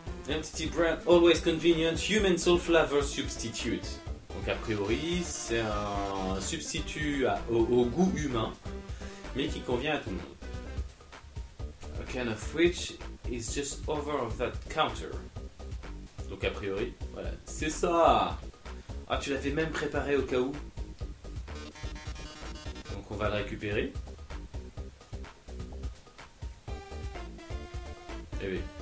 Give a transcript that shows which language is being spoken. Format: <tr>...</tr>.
<en>Entity brand, always convenient, human soul flavor substitute.</en> <fr>Donc a priori, c'est un substitut au goût humain, mais qui convient à tout le monde.</fr> <en>A can of which is just over that counter.</en> <fr>Donc a priori, voilà, c'est ça. Ah, tu l'avais même préparé au cas où. Donc on va le récupérer. Eh oui.</fr>